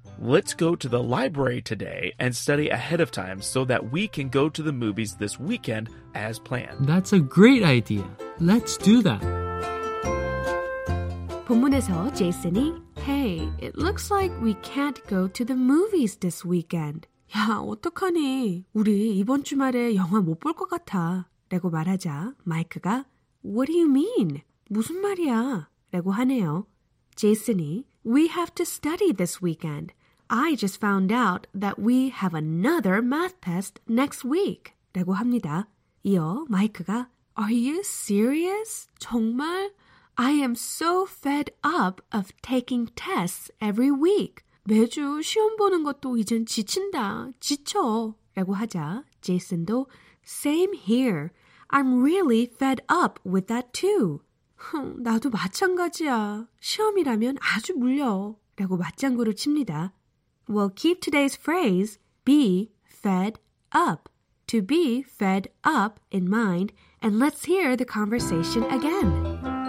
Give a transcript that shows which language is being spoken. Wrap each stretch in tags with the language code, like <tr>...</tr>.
<en>Let's go to the library today and study ahead of time so that we can go to the movies this weekend as planned. That's a great idea. Let's do that.</en> <ko>본문에서 제이슨이</ko> <en>Hey, it looks like we can't go to the movies this weekend.</en> <ko>야, 어떡하니? 우리 이번 주말에 영화 못 볼 것 같아. 라고 말하자 마이크가</ko> <en>What do you mean?</en> <ko>무슨 말이야? 라고 하네요.</ko> <en>제이슨이 We have to study this weekend. I just found out that we have another math test next week.</en> <ko>라고 합니다. 이어 마이크가</ko> <en>Are you serious?</en> <ko>정말?</ko> <en>I am so fed up of taking tests every week.</en> <ko>매주 시험 보는 것도 이젠 지친다. 지쳐. 라고 하자 제이슨도</ko> <en>Same here. I'm really fed up with that too.</en> <ko>나도 마찬가지야. 시험이라면 아주 물려. 라고 맞장구를 칩니다.</ko> <en>Well, keep today's phrase, be fed up. To be fed up in mind, and let's hear the conversation again.</en>